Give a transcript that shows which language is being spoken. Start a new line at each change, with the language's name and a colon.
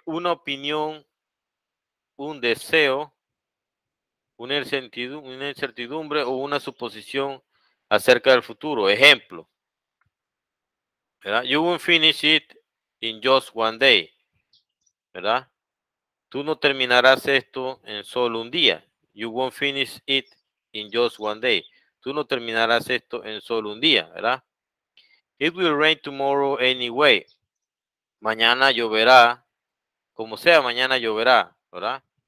Spanish: Una opinión, un deseo, una incertidumbre o una suposición acerca del futuro. Ejemplo, ¿verdad?
English: You won't finish it in just one day, ¿verdad?
Spanish: Tú no terminarás esto en solo un día.
English: You won't finish it in just one day.
Spanish: Tú no terminarás esto en solo un día, ¿verdad?
English: It will rain tomorrow anyway.
Spanish: Mañana lloverá. Como sea, mañana lloverá, ¿verdad?